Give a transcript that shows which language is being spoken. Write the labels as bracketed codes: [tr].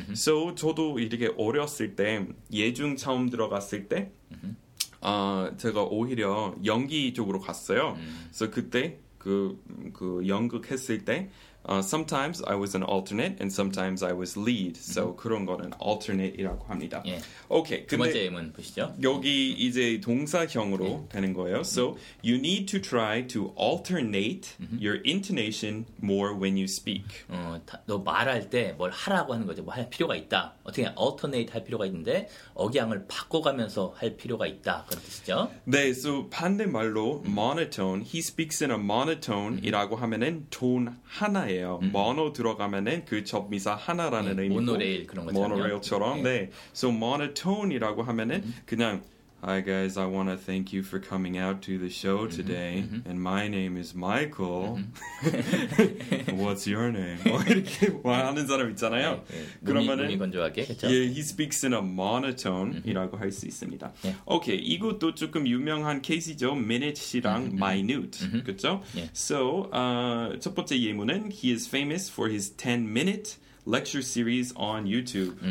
[ko] So 저도 이렇게 어렸을 때 예중 처음 들어갔을 때 제가 오히려 연기 쪽으로 갔어요. 그래서 그때 그 연극 했을 때 [en] sometimes I was an alternate and sometimes I was lead. [ko] So 그런 거는 alternate이라고 합니다. 예. Okay, 두 번째 예문 보시죠. 여기 이제 동사형으로 예. 되는 거예요. [en] So you need to try to alternate your intonation more when you speak. [ko] 너 말할 때 뭘 하라고 하는 거지 뭐 할 필요가 있다. 어떻게 alternate 할 필요가 있는데 억양을 바꿔가면서 할 필요가 있다. 그런 뜻이죠. 네, so 반대말로 monotone. [en] He speaks in a monotone [ko] 이라고 하면은 톤 하나 모노레일이에요. 모노 들어가면은 그 접미사 하나라는 의미고 모노레일 그런 것처럼 모노레일처럼 네. 네. [en] So [ko] monotone이라고 하면은 그냥 [en] Hi guys, I want to thank you for coming out to the show today. And my name is Michael. What's your name? [ko] 이렇게 말하는 사람 있잖아요. 그러면은 몸이 건조하게, 그렇죠? [en] Yeah, he speaks in a monotone이라고 [ko] 할 수 있습니다. Okay, 이것도 조금 유명한 케이스죠. Minute이랑 minute, 그렇죠? [en] So, [ko] 첫 번째 예문은 [en] He is famous for his 10-minute lecture series on YouTube.